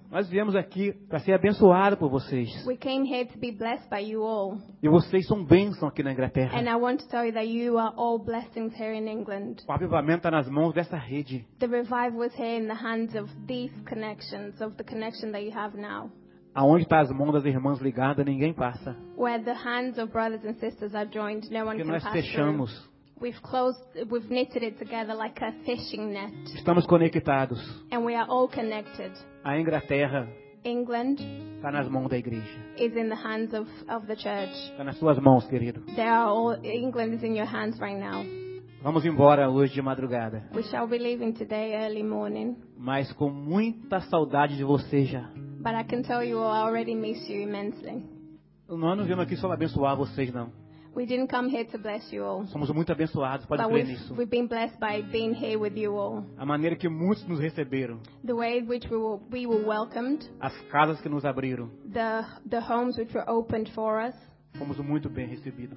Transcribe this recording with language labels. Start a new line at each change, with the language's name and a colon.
Portuguese: Nós viemos aqui para ser abençoado por vocês.
English: We came here to be blessed by you all.
Portuguese: E vocês são bênção aqui na Inglaterra.
English: And I want to tell you that you are all blessings here in England.
Portuguese: O avivamento está nas mãos dessa rede.
English: The revival is here in the hands of these connections, of the connection that you have now.
Portuguese: Aonde está as mãos das irmãs ligadas, ninguém passa.
English: Where the hands of brothers and sisters are joined, no one can pass.
Portuguese: Porque nós fechamos.
English: We've knitted it together like a fishing net.
Portuguese: Estamos conectados.
English: And we are all connected.
Portuguese: A Inglaterra.
English: England.
Portuguese: Está nas mãos da igreja.
English: Is in the hands of the church.
Portuguese: Está nas suas mãos, querido.
English: They are all, England is in your hands right now.
Portuguese: Vamos embora hoje de madrugada.
English: We shall be leaving today early morning.
Portuguese: Mas com muita saudade de você já.
English: But I can tell you all, I already miss you immensely.
Portuguese: Nós não viemos aqui só para abençoar vocês, não.
English: We didn't come here to bless you all.
Portuguese: Somos muito abençoados, pode
English: but
Portuguese: crer nisso.
English: We've been blessed by being here with you all.
Portuguese: A maneira que muitos nos receberam.
English: The way in which we were welcomed.
Portuguese: As casas que nos abriram.
English: The homes which were opened for us.
Portuguese: Fomos muito bem recebidos.